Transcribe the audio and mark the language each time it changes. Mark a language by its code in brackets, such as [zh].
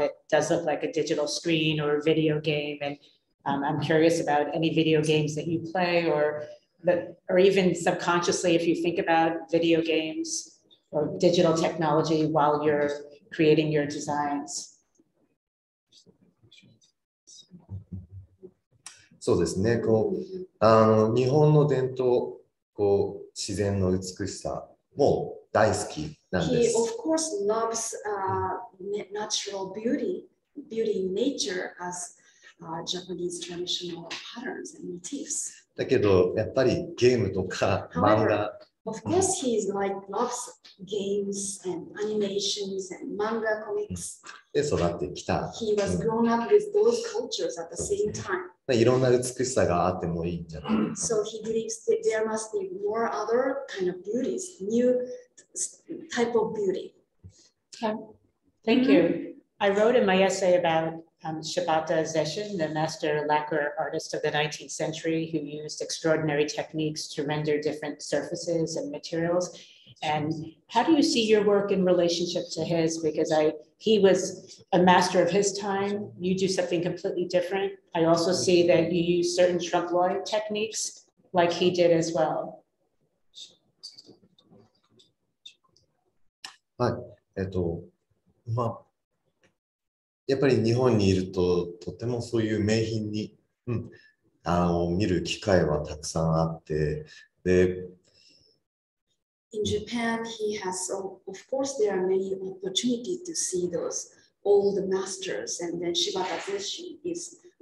[en] It does look like a digital screen or a video game. And I'm curious about any video games that you play or even subconsciously, if you think about video games or digital technology while you're creating your designs. [ja] そうですね。こう、あの、日本の伝統、こう、自然の美しさも大好きなんです。 [en] He of course loves natural beauty, beauty in nature as Japanese traditional patterns and motifs. [ja] だけどやっぱりゲームとか漫画。 [en] Of course he is like loves games and animations and manga comics. [ja] で育ってきた。 [en] He was grown up with those cultures at the same time. [ja] いろんな美しさがあってもいいんじゃないか。 [en] So he believes that there must be more other kind of beauties, new type of beauty. Thank you. I wrote in my essay about Shibata Zeshin, the master lacquer artist of the 19th century who used extraordinary techniques to render different surfaces and materials. And how do you see your work in relationship to his? Because he was a master of his time. You do something completely different. I also see that you use certain trompe-l'oeil techniques like he did as well. [ja] はい、まあ、やっぱり日本にいるととてもそういう名品に、うん、あの、見る機会はたくさんあって、で、 [en] In Japan, he has, so of course, there are many opportunities to see those old masters, and then Shibata Zeshin is.